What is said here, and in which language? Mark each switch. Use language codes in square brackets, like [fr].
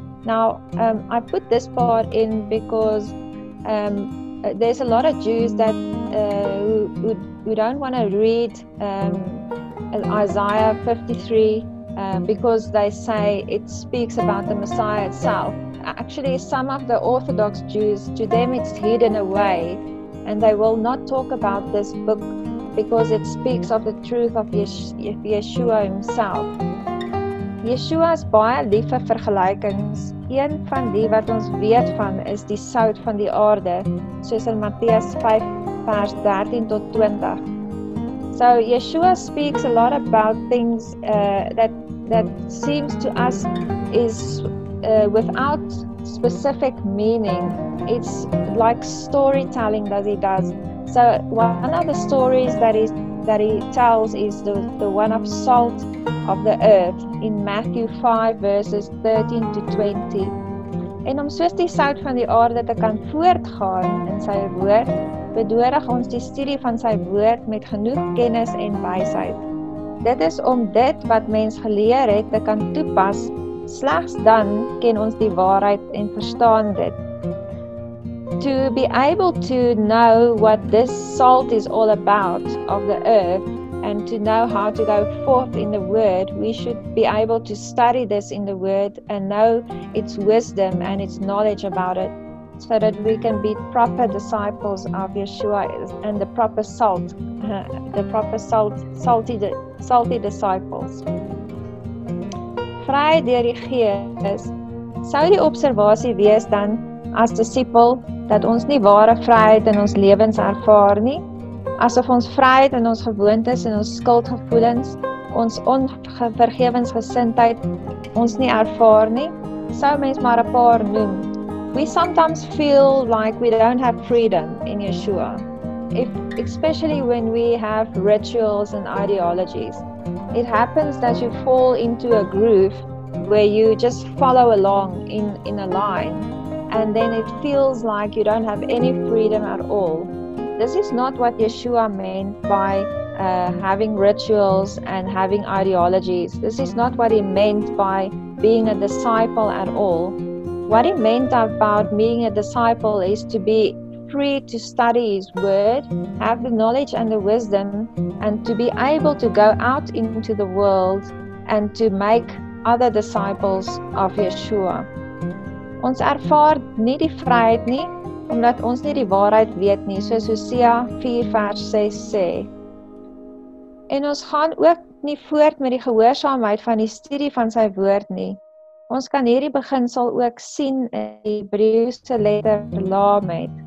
[en] Now, I put this part in because there's a lot of Jews that who don't want to read Isaiah 53 because they say it speaks about the Messiah itself. Actually, some of the Orthodox Jews, to them it's hidden away, and they will not talk about this book because it speaks of the truth of Yeshua himself. [af] Yeshua is baie lief vir vergelykings. Een van die wat ons weet van is die sout van die aarde, soos in Matteus 5 vers 13 tot 20. [en] So Yeshua speaks a lot about things that seems to us is without specific meaning. It's like storytelling that he does. So one of the stories that he tells is the one of salt of the earth in Matthew 5 verses 13 to 20. [af] En om soos die sout van die aarde te kan voortgaan in sy woord, bedoelig ons die studie van sy woord met genoeg kennis en wysheid. Dit is om dit wat mens geleer het te kan toepas, slegs dan ken ons die waarheid en verstaan dit. [en] To be able to know what this salt is all about of the earth and to know how to go forth in the word, we should be able to study this in the word and know its wisdom and its knowledge about it so that we can be proper disciples of Yeshua and the proper salty disciples. [af] Vry deur die Gees, sou die observasie wees dan as disipel dat ons nie ware vryheid in ons lewens ervaar nie, asof ons vryheid in ons gewoontes en ons skuldgevoelens, ons onvergewensgesindheid ons nie ervaar nie, sou mens maar 'n paar noem. [en] We sometimes feel like we don't have freedom in Yeshua, especially when we have rituals and ideologies. It happens that you fall into a groove where you just follow along in a line, and then it feels like you don't have any freedom at all. This is not what Yeshua meant by having rituals and having ideologies. This is not what he meant by being a disciple at all. What he meant about being a disciple is to be free to study his word, have the knowledge and the wisdom, and to be able to go out into the world and to make other disciples of Yeshua. [af] Ons ervaar nie die vryheid nie, omdat ons nie die waarheid weet nie, soos Hosea 4 vers 6 sê. En ons gaan ook nie voort met die gehoorsaamheid van die studie van sy woord nie. Ons kan hierdie beginsel ook sien in die Hebreëse letter lamed.